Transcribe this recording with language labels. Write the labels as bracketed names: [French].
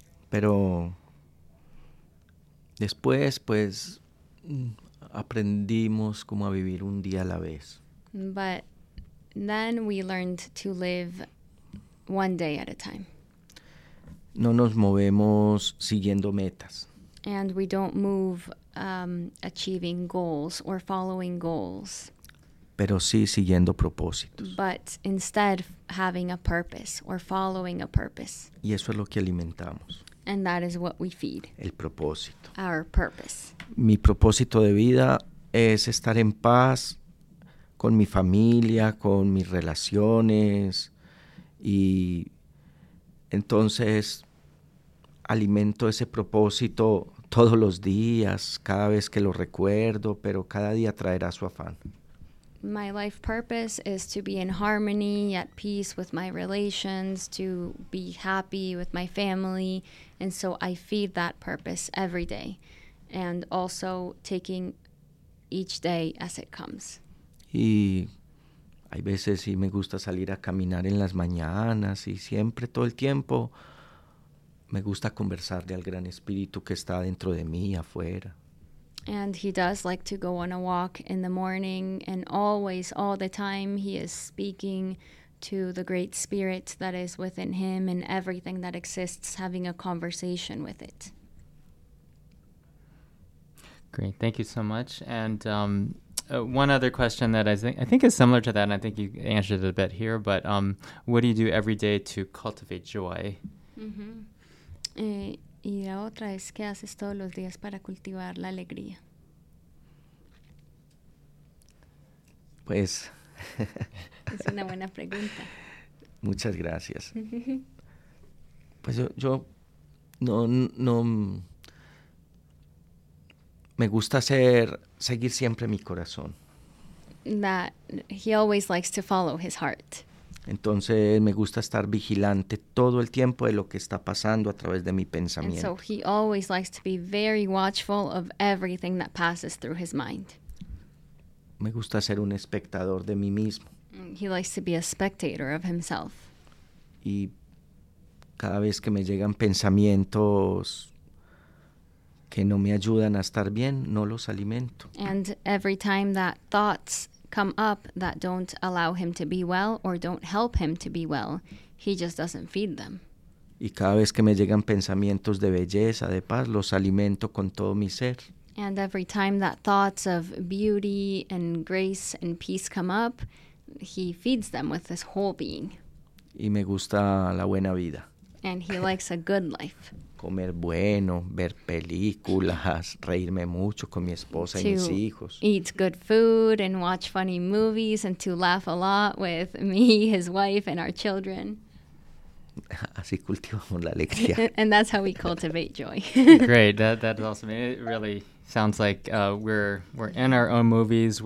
[Spanish] Pero después, pues, aprendimos cómo vivir un día a la vez. [English] But then we learned to live one day at a time. [Spanish] No nos movemos siguiendo metas. [English] And we don't move achieving goals or following goals. [Spanish] Pero sí siguiendo propósitos. [English] But instead having a purpose or following a purpose. [Spanish] Y eso es lo que alimentamos. [English] And that is what we feed. [Spanish] El propósito. [English] Our purpose. [Spanish] Mi propósito de vida es estar en paz con mi familia, con mis relaciones, y entonces alimento ese propósito todos los días, cada vez que lo recuerdo, pero cada día traerá su afán. [English] My life purpose is to be in harmony, at peace with my relations, to be happy with my family, and so I feed that purpose every day, and also taking each day as it comes. [Spanish] Y hay veces sí me gusta salir a caminar en las mañanas y siempre, todo el tiempo, me gusta conversarle al gran espíritu que está dentro de mí, afuera. [English] And he does like to go on a walk in the morning, and always, all the time, he is speaking to the great spirit that is within him and everything that exists, having a conversation with it. Great, thank you so much. And one other question that I think is similar to that, and I think you answered it a bit here, but what do you do every day to cultivate joy? [Spanish] Y la otra es, ¿qué haces todos los días para cultivar la alegría? Pues es una buena pregunta. Muchas gracias. Pues yo no me gusta seguir siempre mi corazón. [English] That he always likes to follow his heart. [Spanish] Entonces me gusta estar vigilante todo el tiempo de lo que está pasando a través de mi pensamiento. [English] And so he always likes to be very watchful of everything that passes through his mind. [Spanish] Me gusta ser un espectador de mí mismo. [English] He likes to be a spectator of himself. [Spanish] Y cada vez que me llegan pensamientos que no me ayudan a estar bien, no los alimento. [English] And every time that thoughts come up that don't allow him to be well or don't help him to be well, he just doesn't feed them. [Spanish] Y cada vez que me llegan pensamientos de belleza, de paz, los alimento con todo mi ser. [English] And every time that thoughts of beauty and grace and peace come up, he feeds them with his whole being. [Spanish] Y me gusta la buena vida. [English] And he likes a good life. [Spanish] Comer bueno, ver películas, reírme mucho con mi esposa y mis hijos. [English] To eat good food and watch funny movies and to laugh a lot with me, his wife, and our children. [Spanish] Así cultivamos la alegría. [English] And that's how we cultivate joy. Great. That's awesome. It really sounds like we're in our own movies.